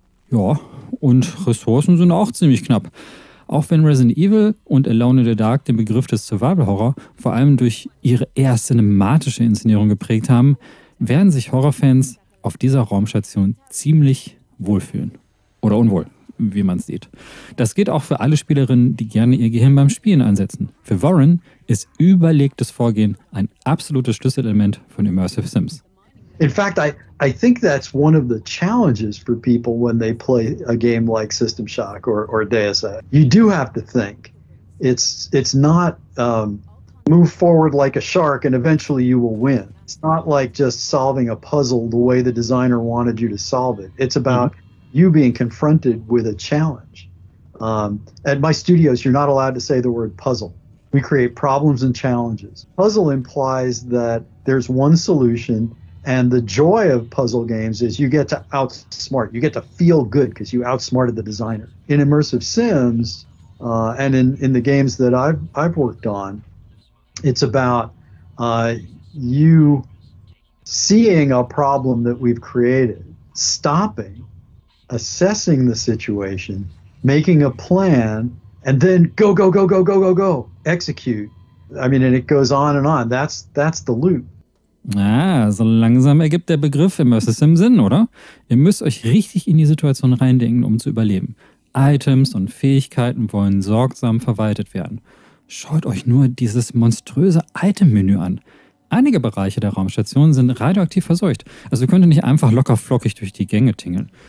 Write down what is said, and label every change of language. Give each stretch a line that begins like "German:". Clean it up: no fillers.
German: Ja, und Ressourcen sind auch ziemlich knapp. Auch wenn Resident Evil und Alone in the Dark den Begriff des Survival Horror vor allem durch ihre eher cinematische Inszenierung geprägt haben, werden sich Horrorfans auf dieser Raumstation ziemlich wohlfühlen. Oder unwohl, wie man sieht. Das geht auch für alle Spielerinnen, die gerne ihr Gehirn beim Spielen einsetzen. Für Warren ist überlegtes Vorgehen ein absolutes Schlüsselelement von Immersive Sims.
English: In fact, I think that's one of the challenges for people when they play a game like System Shock or Deus Ex. You do have to think. It's not move forward like a shark and eventually you will win. It's not like just solving a puzzle the way the designer wanted you to solve it. It's about you being confronted with a challenge. At my studios, you're not allowed to say the word puzzle. We create problems and challenges. Puzzle implies that there's one solution, and the joy of puzzle games is you get to outsmart. You get to feel good because you outsmarted the designer. In immersive sims, and in the games that I've worked on, it's about you seeing a problem that we've created, stopping, assessing the situation, making a plan, and then go, go, go, go, go, go, go, execute. I mean, and it goes on and on. That's the loop.
German: Ah, so langsam ergibt der Begriff Immersive Sim Sinn, oder? Ihr müsst euch richtig in die Situation reindenken, um zu überleben. Items und Fähigkeiten wollen sorgsam verwaltet werden. Schaut euch nur dieses monströse Item-Menü an. Einige Bereiche der Raumstation sind radioaktiv verseucht, also könnt ihr nicht einfach locker flockig durch die Gänge tingeln.